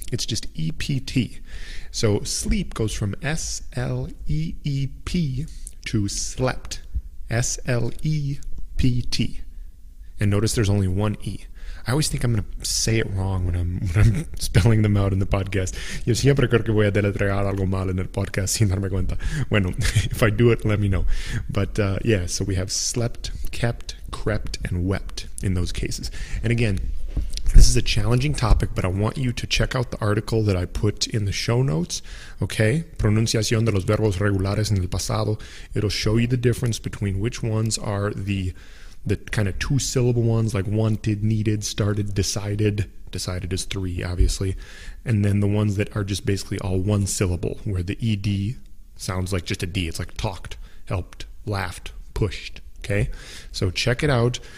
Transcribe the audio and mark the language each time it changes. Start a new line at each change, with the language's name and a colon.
English: It's just EPT. So sleep goes from S-L-E-E-P to slept, S-L-E-P-T. And notice there's only one E. I always think I'm going to say it wrong when I'm spelling them out in the podcast.
Spanish: Yo siempre creo que voy a deletrear algo mal en el podcast sin darme cuenta.
English: Bueno, if I do it, let me know. But yeah, so we have slept, kept, crept, and wept in those cases. And again, this is a challenging topic, but I want you to check out the article that I put in the show notes, okay?
Spanish: Pronunciación de los verbos regulares en el pasado.
English: It'll show you the difference between which ones are the kind of two-syllable ones, like wanted, needed, started, decided. Decided is three, obviously. And then the ones that are just basically all one syllable, where the ED sounds like just a D. It's like talked, helped, laughed, pushed. Okay, so check it out.